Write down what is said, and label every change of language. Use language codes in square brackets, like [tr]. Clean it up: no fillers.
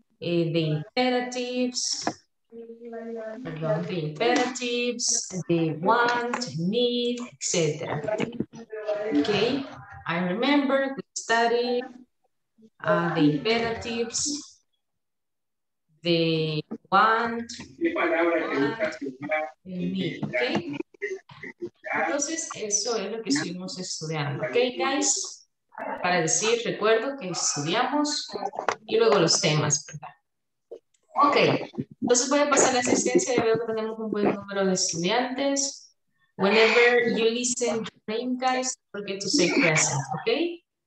[en] The imperatives, the imperatives, the want, need, etc. Okay, I remember we studied the imperatives, the want, need. [es] Okay, entonces eso es lo que estuvimos estudiando. Okay, guys, para decir, recuerdo que estudiamos y luego los temas, ¿verdad? Ok, entonces voy a pasar la asistencia y veo que tenemos un buen número de estudiantes. [en] Whenever you listen to your name, guys, forget to say present, ok?